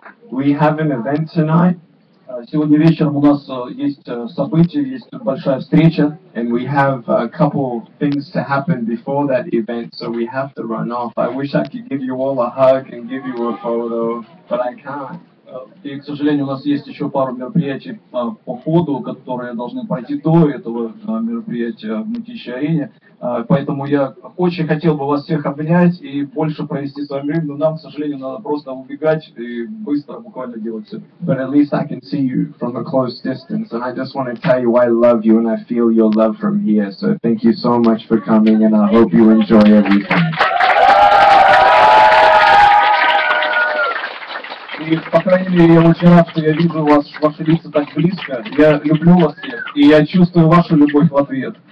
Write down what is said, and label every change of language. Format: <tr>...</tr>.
<en>We have an event tonight.</en> <ru>Сегодня вечером у нас есть событие, есть большая встреча.</ru> <en>And we have a couple of things to happen before that event, so we have to run off. I wish I could give you all a hug and give you a photo, but I can't.</en> <ru>И, к сожалению, у нас есть еще пару мероприятий по ходу, которые должны пройти до этого мероприятия в Мытищей арене. Поэтому я очень хотел бы вас всех обнять и больше провести с вами время, но нам, к сожалению, надо просто убегать и быстро буквально делать все.</ru> <en>But at least I can see you from a close distance, and I just want to tell you I love you and I feel your love from here. So thank you so much for coming, and I hope you enjoy everything.</en> <ru>И, по крайней мере, я очень рад, что я вижу вас, ваши лица так близко. Я люблю вас всех, и я чувствую вашу любовь в ответ.</ru>